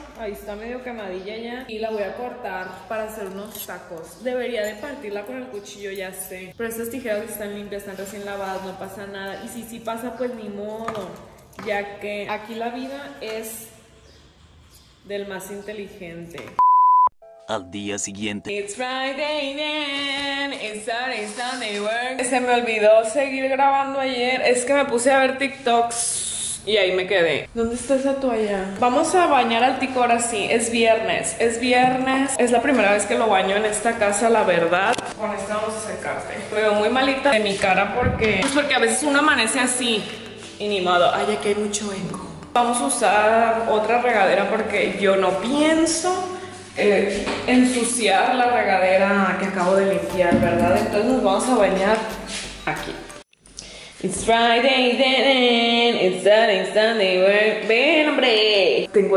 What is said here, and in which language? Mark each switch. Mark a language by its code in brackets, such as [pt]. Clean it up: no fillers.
[es] Ahí está medio quemadilla ya. Y la voy a cortar para hacer unos tacos. Debería de partirla con el cuchillo, ya sé. Pero estas tijeras están limpias, están recién lavadas, no pasa nada. Y si sí pasa, pues ni modo, ya que aquí la vida es del más inteligente. Al día siguiente. [en] It's Friday then, it's Saturday, Sunday work. [es] Se me olvidó seguir grabando ayer. Es que me puse a ver TikToks y ahí me quedé. ¿Dónde está esa toalla? Vamos a bañar al Tico ahora sí. Es viernes. Es la primera vez que lo baño en esta casa, la verdad. Con esta vamos a secarte. Me veo muy malita de mi cara porque... pues porque a veces uno amanece así y ni modo. Ay, aquí hay mucho eco. Vamos a usar otra regadera porque yo no pienso ensuciar la regadera que acabo de limpiar, ¿verdad? Entonces nos vamos a bañar aquí. [en] It's Friday then, it's Saturday, Sunday, [es] ven, hombre.